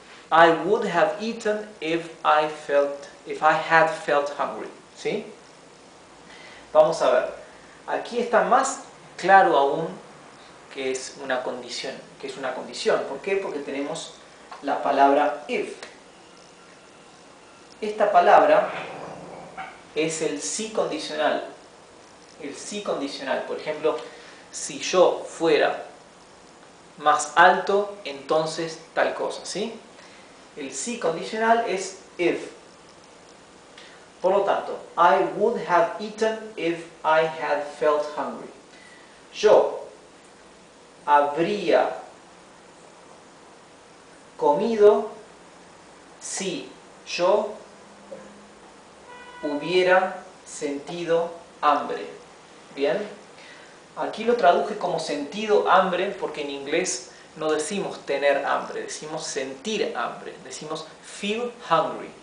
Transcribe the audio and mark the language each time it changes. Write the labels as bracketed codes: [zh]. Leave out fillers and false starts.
[en] I would have eaten if I had felt hungry. [es] ¿Sí? Vamos a ver. Aquí está más claro aún que es una condición. Que es una condición. ¿Por qué? Porque tenemos la palabra if. Esta palabra es el sí condicional. El sí condicional. Por ejemplo, si yo fuera más alto, entonces tal cosa. ¿Sí? El sí condicional es if. Por lo tanto, [en] I would have eaten if I had felt hungry. [es] Yo habría comido si yo hubiera sentido hambre. ¿Bien? Aquí lo traduje como sentido hambre porque en inglés no decimos tener hambre, decimos sentir hambre, decimos [en] feel hungry,